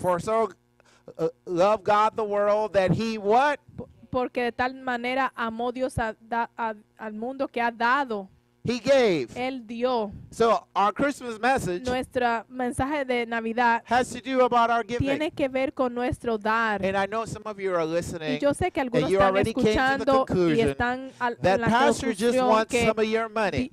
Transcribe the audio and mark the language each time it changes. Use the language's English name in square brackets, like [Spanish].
[English] For so loved God the world that he what? [Spanish] Porque de tal manera amó Dios al mundo que ha dado. [English] He gave. [Spanish] Él dio. [English] So our Christmas message. [Spanish] Nuestro mensaje de Navidad. [English] Has to do about our giving. [Spanish] Tiene que ver con nuestro dar. [English] And I know some of you are listening. [Spanish] Y yo sé que algunos están escuchando y están [English] that pastor just wants some of your money.